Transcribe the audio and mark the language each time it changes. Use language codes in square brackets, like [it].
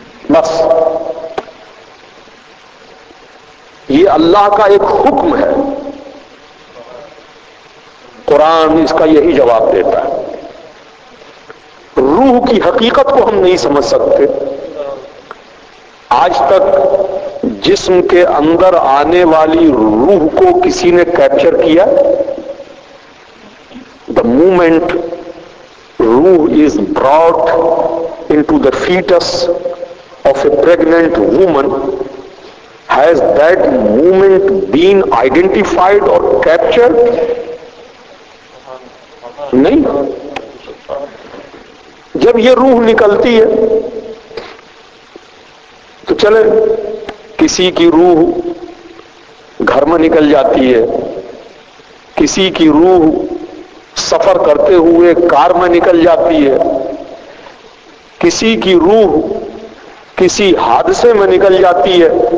[ur] بس یہ اللہ کا ایک حکم ہے. قرآن اس کا یہی جواب دیتا ہے. روح کی حقیقت کو ہم نہیں سمجھ سکتے. آج تک جسم کے اندر آنے والی روح کو کسی نے کیپچر کیا؟ [en] The moment روح is brought into the fetus of a pregnant woman, has that moment been identified or captured? [ur] نہیں. جب یہ روح نکلتی ہے تو چلے کسی کی روح گھر میں نکل جاتی ہے, کسی کی روح سفر کرتے ہوئے کار میں نکل جاتی ہے, کسی کی روح کسی حادثے میں نکل جاتی ہے.